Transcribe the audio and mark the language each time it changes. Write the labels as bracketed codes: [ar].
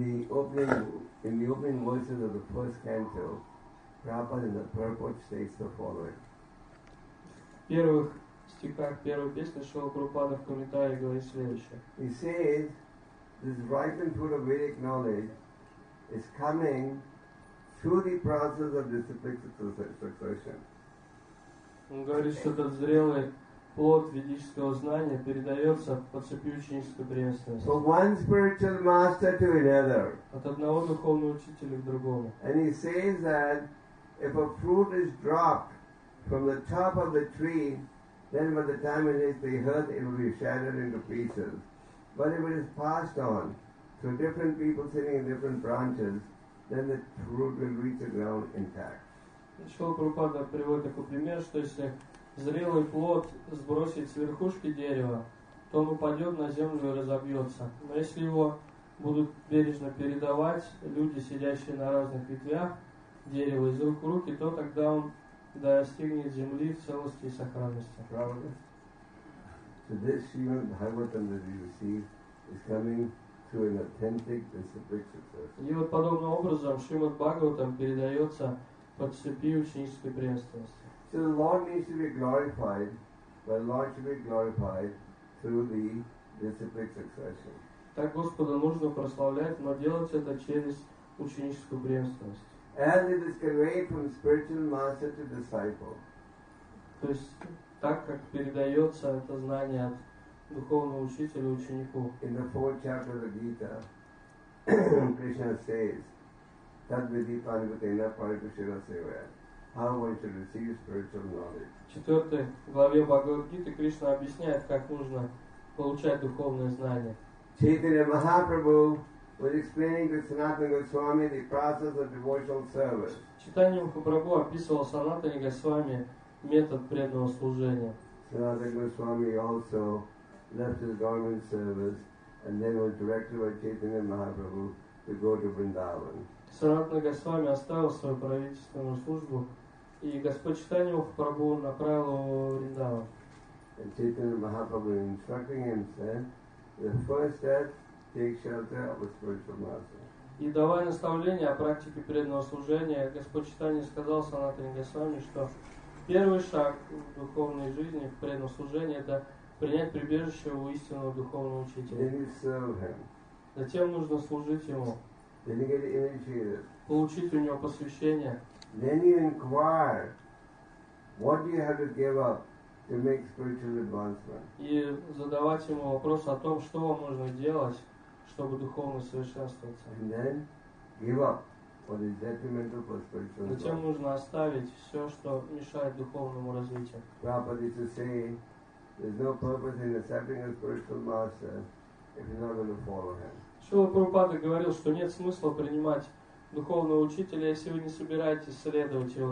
[en] In the opening verses of the first canto, Prabhupada in the purport states the following. [ru] В первых стихах первой песни Шрила Прабхупада в комментариях говорит следующее. [en] He says, this ripened fruit of Vedic knowledge is coming through the process of disciplic succession. [ru] Он говорит, что этот зрелый плод ведического знания передается по цепи ученической преемственности. [en] From one spiritual master to another. [ru] От одного духовного учителя к другому. [en] And he says that if a fruit is dropped from the top of the tree, then by the time it hits the earth, it will be shattered into pieces. But if it is passed on to different people sitting in different branches, then the fruit will reach the ground intact. [ru] Шрила Прабхупада приводит такой пример, что если зрелый плод сбросить с верхушки дерева, то он упадет на землю и разобьется. Но если его будут бережно передавать люди, сидящие на разных ветвях дерева из рук в руки, то тогда он достигнет земли в целости и сохранности. [en] So this Srimad Bhagavatam that we receive is coming through [ru] И вот подобным образом Шримад Бхагаватам передается подцепью ученической преемственности. [en] So the Lord needs to be glorified, but the Lord should be glorified through the disciplic succession. [ru] Так Господа нужно прославлять, но делать это через ученическую преемственность. [en] As it is conveyed from spiritual master to disciple. [ru] То есть так как передается это знание от духовного учителя ученику. [en] In the fourth chapter of the Gita, Krishna says, [sa] "Tad vidhipani vatena parikshira sevaya." [en] How one should receive spiritual knowledge. [ru] В 4 главе Бхагавад-гиты Кришна объясняет, как нужно получать духовное знание. [en] Chaitanya Mahaprabhu was explaining to Sanatana Goswami the process of devotional service. [ru] Chaitanya Mahaprabhu описывал Санатане Госвами метод преданного служения. [en] Sanatana Goswami also left his government service and then was directed by Chaitanya Mahaprabhu to go to Vrindavan. [ru] Санатана Госвами оставил свою правительственную службу, и Господь Чайтанья Махапрабху направил его в Вриндаван. [en] Чайтанья Махапрабху instructing him, said, the first step, take shelter of a spiritual master. [ru] И давая наставление о практике преданного служения, Господь Чайтанья сказал Санатане Госвами, что первый шаг в духовной жизни, в преданном служении, это принять прибежище у истинного духовного учителя. Затем нужно служить ему. [en] Then you get initiated. [ru] Получить у него посвящение. [en] Then you inquire, what do you have to give up to make spiritual advancement? [ru] И задавать ему вопрос о том, что вам нужно делать, чтобы духовно совершенствоваться. [en] And then give up what is detrimental for spiritual advancement. [ru] Затем нужно оставить все, что мешает духовному развитию. [en] Prabhupada used to say, there's no purpose in accepting a spiritual master if you're not going to follow him. [ru] Шрила Прабхупада говорил, что нет смысла принимать духовного учителя, если вы не собираетесь следовать его